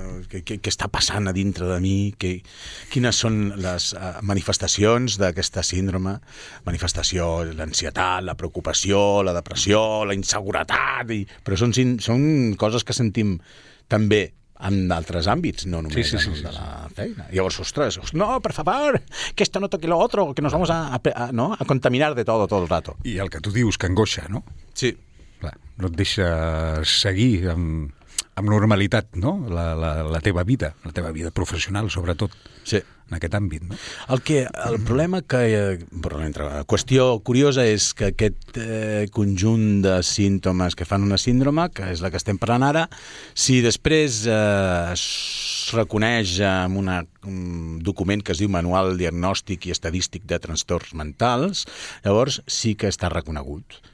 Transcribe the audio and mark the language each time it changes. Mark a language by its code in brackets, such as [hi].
[ca] Què està passant a dintre de mi? Quines són les manifestacions d'aquesta síndrome? Manifestació, l'ansietat, la preocupació, la depressió, la inseguretat... Però són coses que sentim també en altres àmbits, no només sí. de la feina. Llavors, ostres, no, per favor, [es] que esto no toque lo otro, que nos vamos a contaminar de todo el rato. [ca] I el que tu dius, que angoixa, no? Sí. Clar, no et deixa seguir amb normalitat, no? La teva vida, la teva vida professional, sobretot, sí. en aquest àmbit, no? El problema que... qüestió curiosa és que aquest conjunt de símptomes que fan una síndrome, que és la que estem parlant ara, si després es reconeix en un document que es diu Manual Diagnòstic i Estadístic de Trastorns Mentals, llavors sí que està reconegut.